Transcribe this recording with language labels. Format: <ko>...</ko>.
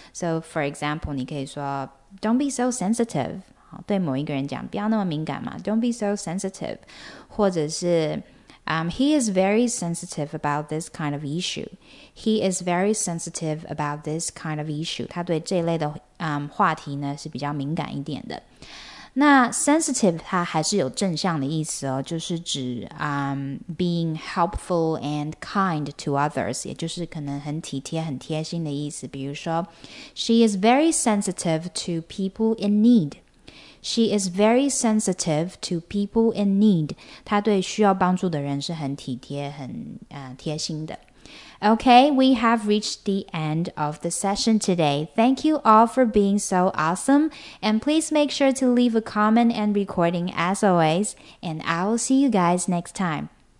<en>So for example,</en> <zh>你可以说</zh> <en>don't be so sensitive.</en> <zh>好对某一个人讲不要那么敏感嘛</zh> <en>don't be so sensitive.</en> <zh>或者是</zh> <en>he is very sensitive about this kind of issue. He is very sensitive about this kind of issue.</en> <zh>他对这类的、话题呢是比较敏感一点的。那 sensitive 它还是有正向的意思哦，就是指、</zh> <en>being helpful and kind to others，</en> <zh>也就是可能很体贴、很贴心的意思。比如说</zh> <en>，She is very sensitive to people in need. She is very sensitive to people in need.</en> <zh>她对需要帮助的人是很体贴、很、贴心的。</zh> <en>Okay, we have reached the end of the session today. Thank you all for being so awesome. And please make sure to leave a comment and recording as always. And I will see you guys next time.</en>